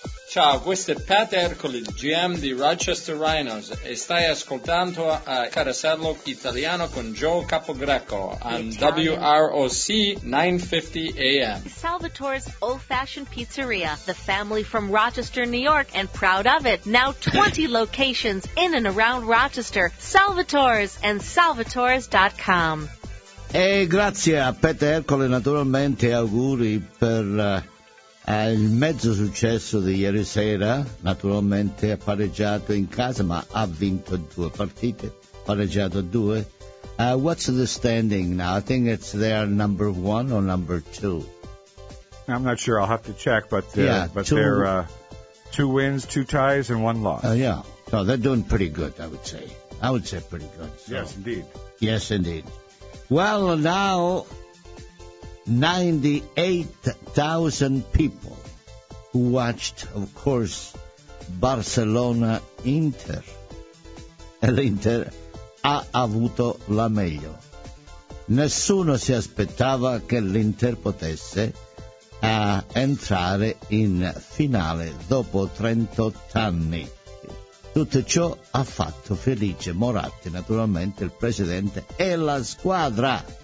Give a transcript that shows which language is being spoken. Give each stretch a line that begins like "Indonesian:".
Italian: Ciao, questo è Pat Ercoli, GM di Rochester Rhinos, e stai ascoltando a Carosello Italiano con Joe Capogreco
English: on
Italian: WROC 950 AM.
English: Salvatore's Old Fashioned Pizzeria, the family from Rochester, New York, and proud of it. Now 20 locations in and around Rochester. Salvatore's and Salvatore's.com.
Italian: E grazie a Pat Ercoli, naturalmente, auguri per il mezzo successo di ieri sera. Naturalmente ha pareggiato in casa, ma ha vinto due partite, pareggiato due.
English: What's the standing now? I think it's their number one or number two. I'm not sure, I'll have to check, but they're two wins, two ties, and one loss. So they're doing pretty good, I would say pretty good. So. Yes, indeed. Well, now 98,000 people who watched, of course, Barcelona Inter.
Italian: L'Inter ha avuto la meglio. Nessuno si aspettava che l'Inter potesse entrare in finale dopo 38 anni. Tutto ciò ha fatto felice Moratti, naturalmente, il presidente e la squadra.